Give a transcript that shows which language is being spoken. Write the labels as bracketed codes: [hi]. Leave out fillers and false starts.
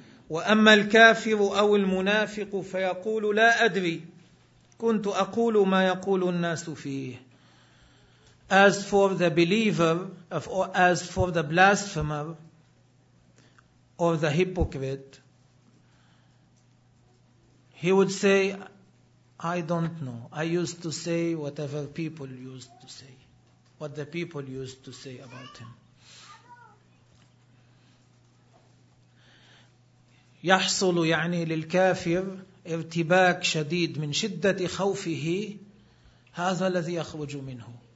[ar] وأما الكافر أو المنافق فيقول لا أدري كنت أقول ما يقول الناس فيه. [en] As for the believer, or as for the blasphemer or the hypocrite, he would say, I don't know. I used to say whatever people used to say, what the people used to say about him. [ar] يحصل يعني للكافر ارتباك شديد من شدة خوفه هذا الذي يخرج منه.